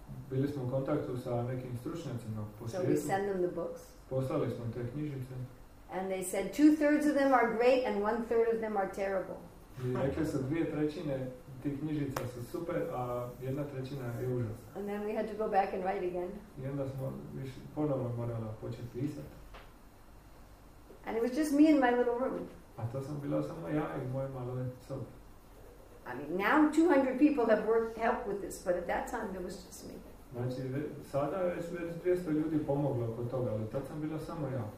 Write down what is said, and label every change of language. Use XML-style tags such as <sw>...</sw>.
<hr>Bili smo u kontaktu sa nekim stručnjacima po svijetu.</hr> <en>So we send them the books.</en> <hr>Poslali smo te knjižice.</hr> <en>And they said 2/3 of them are great and 1/3 of them are terrible.</en> <hr>I rekli su 2/3 tih knjižica su super, a 1/3 je užas.</hr> <en>And then we had to go back and write again.</en> <hr>I onda smo ponovno morali početi pisati.</hr> <en>And it was just me in my little room.</en> <hr>A to sam bila samo ja i moje malo sobe.</hr> <en>I mean, now 200 people have worked help with this, but at that time it was just me.</en> <hr>Znači, sada je već 200 ljudi pomoglo oko toga, ali tad sam bila samo ja.</hr>